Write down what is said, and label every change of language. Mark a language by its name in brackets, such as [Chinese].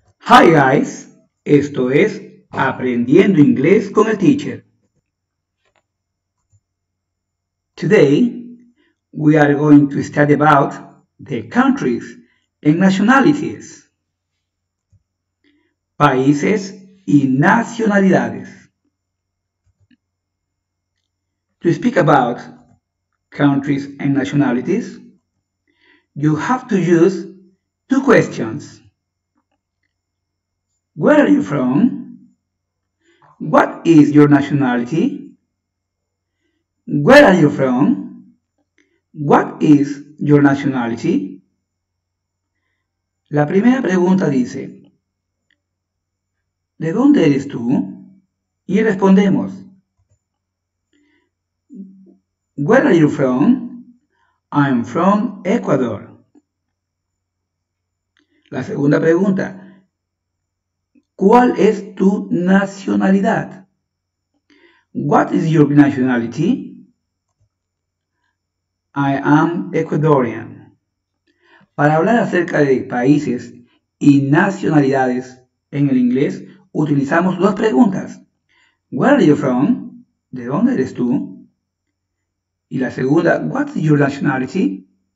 [English] Hi guys, [Spanish] esto es Aprendiendo Inglés con el Teacher. [English] Today, we are going to study about the countries and nationalities. [Spanish] Países y nacionalidades. [English] To speak about countries and nationalities, you have to use two questions. Where are you from? What is your nationality? Where are you from? What is your nationality? [Spanish] La primera pregunta dice, ¿de dónde eres tú? Y respondemos, [English] Where are you from? I'm from Ecuador. [Spanish] La segunda pregunta, ¿cuál es tu nacionalidad? [English] What is your nationality? I am Ecuadorian. [Spanish] Para hablar acerca de países y nacionalidades en el inglés, utilizamos dos preguntas. [English] Where are you from? [Spanish] ¿De dónde eres tú? Y la segunda, [English] What is your nationality?